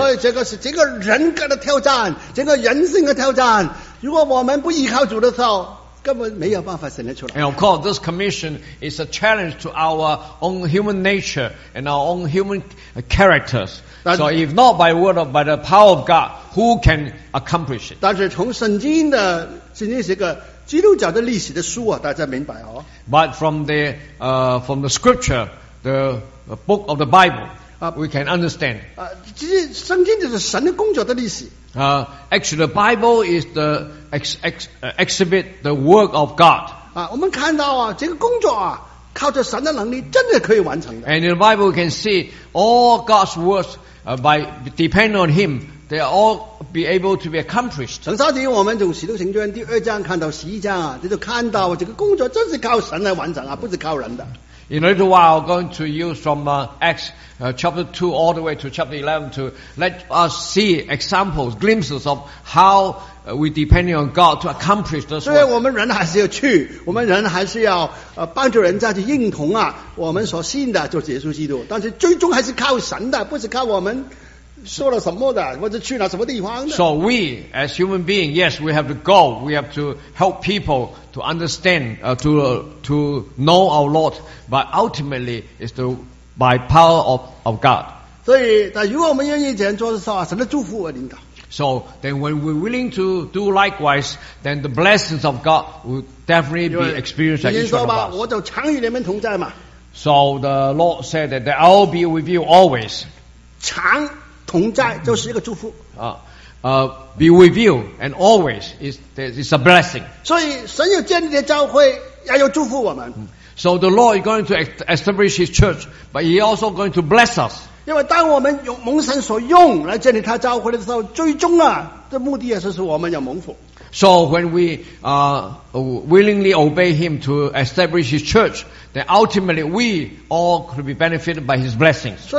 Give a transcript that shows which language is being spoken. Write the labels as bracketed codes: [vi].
[zh] 所以这个是整个人格的挑战，整个人性的挑战。如果我们不依靠主的时候，根本没有办法显得出来。 [en] And of course, this commission is a challenge to our own human nature and our own human characters. So if not by word of, by the power of God, who can accomplish it? [zh] 但是从圣经的，圣经是一个基督教的历史的书啊，大家明白哦。 [en] But from the scripture, the book of the Bible, we can understand. [zh] 其实圣经就是神的工作的历史。 [en] Actually, the Bible is the exhibit the work of God. [zh] 我们看到啊，这个工作啊，靠着神的能力，真的可以完成的。 [en] And in the Bible, we can see all God's works by depend on Him. they all be able to be accomplished. [zh] 等稍等于我们从使徒行传第二章看到十一章啊，这个工作真是靠神来完成啊， 不是靠人的。 [en] In a little while, I'm going to use from Acts chapter 2 all the way to chapter 11 to let us see examples, glimpses of how we depend on God to accomplish this work. [zh] 所以我们人还是要去，我们人还是要帮助人家去认同啊，我们所信的就是耶稣基督。但是最终还是靠神的，不是靠我们。说了什么的，或者去了什么地方的? [en] So we, as human beings, yes, we have to go. We have to help people to understand, to know our Lord. But ultimately, it's by power of God. [zh] 所以，但如果我们愿意这样做的时候，神的祝福而领导。 [en] So then when we're willing to do likewise, then the blessings of God will definitely be experienced at each one of us. [zh] 我就常与你们同在嘛。 [en] So the Lord said that I'll be with you always. [zh] 常 同在就是一个祝福 [en] be with you and always is a blessing. [zh] 所以神要建立的教会，也要祝福我们。 [en] So the Lord is going to establish His church, but He also going to bless us. [zh] 因为当我们蒙神所用来建立他教会的时候，最终啊，这目的也是使我们有蒙福。 [en] So when we willingly obey Him to establish His church, then ultimately we all could be benefited by His blessings.